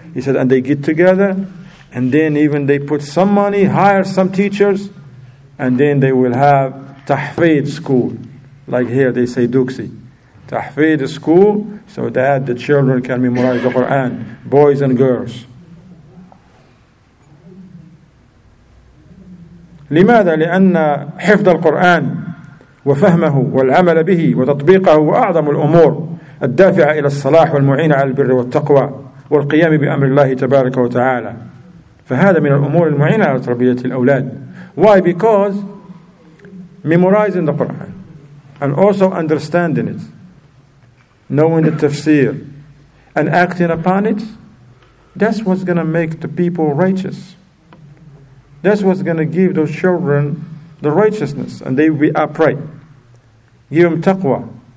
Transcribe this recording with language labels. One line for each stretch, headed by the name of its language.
English: He said, and they get together, and then even they put some money, hire some teachers, and then they will have tahfid school. Like here they say duksi. Tahfid school, so that the children can memorize the Quran, boys and girls.
Arabic: لماذا؟ لأن حفظ القرآن وفهمه والعمل به وتطبيقه وأعظم الأمور الدافعة إلى الصلاح والمعين على البر والتقوى والقيام بأمر الله تبارك وتعالى. فهذا من الأمور المعينة على تربية الأولاد.
English: Why? Because memorizing the Quran and also understanding it, knowing the tafsir and acting upon it, that's what's going to make the people righteous. That's what's going to give those children the righteousness, and they will be upright. Give them taqwa.